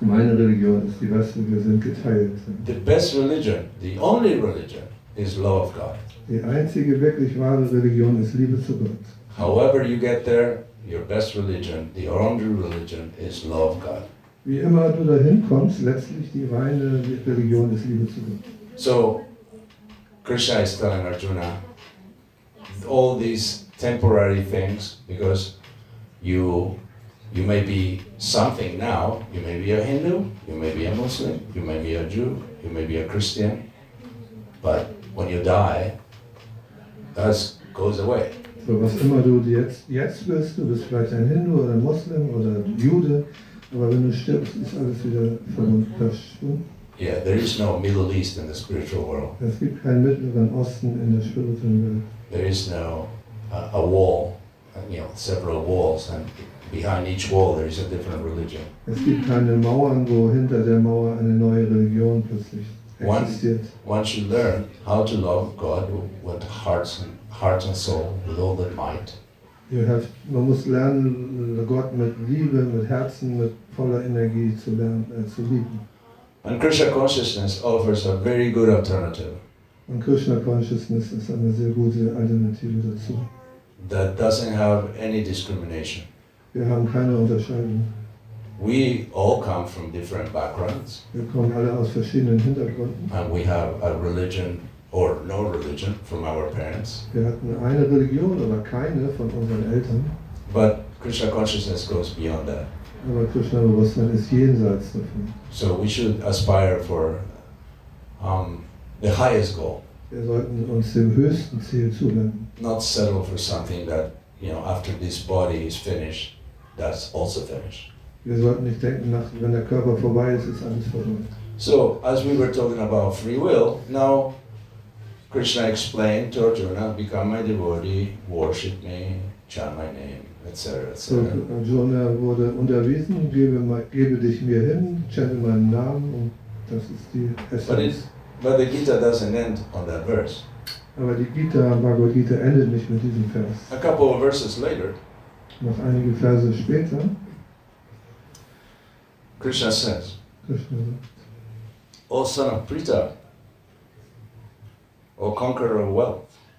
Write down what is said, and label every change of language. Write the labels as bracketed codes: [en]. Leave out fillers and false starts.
[de] Meine Religion ist die beste, wir sind geteilt. [en] The best religion, the only religion, is love of God. [de] Die einzige wirklich wahre Religion ist Liebe zu Gott. [en] However you get there, your best religion, the only religion, is love of God. [de] Wie immer du dahin kommst, letztlich die reine Religion ist Liebe zu Gott. [en] So, Krishna is telling Arjuna, all these temporary things, because you may be something now, you may be a Hindu, you may be a Muslim, you may be a Jew, you may be a Christian, but when you die, that goes away. [de] So was immer du jetzt bist, du bist vielleicht ein Hindu oder ein Muslim oder Jude, aber wenn du stirbst, ist alles wieder verschwunden. [en] Yeah, there is no Middle East in the spiritual world. [de] Es gibt keinen Mittleren Osten in der spirituellen Welt. [en] There is no a wall, you know, several walls, and behind each wall there is a different religion. [de] Es gibt keine Mauern, wo hinter der Mauer eine neue Religion plötzlich existiert. [en] Once you learn how to love God with heart and soul, with all that might. [de] Man muss lernen, Gott mit Liebe, mit Herzen, mit voller Energie zu lieben. [en] And Krishna consciousness offers a very good alternative. [de] Und Krishna consciousness ist eine sehr gute Alternative dazu. [en] That doesn't have any discrimination. [de] Wir haben keine Unterscheidung. [en] We all come from different backgrounds. [de] Wir kommen alle aus verschiedenen Hintergründen. [en] And we have a religion or no religion from our parents. [de] Wir hatten eine Religion oder keine von unseren Eltern. [en] But Krishna consciousness goes beyond that. [de] Aber Krishna Bewusstsein ist jenseits davon. [en] So we should aspire for the highest goal. [de] Wir sollten uns dem höchsten Ziel zuwenden. [en] Not settle for something that, you know, after this body is finished, that's also finished. [de] Wir sollten nicht denken, wenn der Körper vorbei ist, ist alles vorbei. [en] So, as we were talking about free will, now Krishna explained to Arjuna, become my devotee, worship me, chant my name, etc. [de] So Arjuna wurde unterwiesen, gebe dich mir hin, chante meinen Namen, und das ist die Essenz. [en] But the Gita doesn't end on that verse. [de] Aber die Gita, Bhagavad Gita, endet nicht mit diesem Vers. [en] A couple of verses later, [de] Noch einige Verse später. [en] Krishna says, [de] Krishna sagt, [en] O son of Prita, O conqueror of wealth.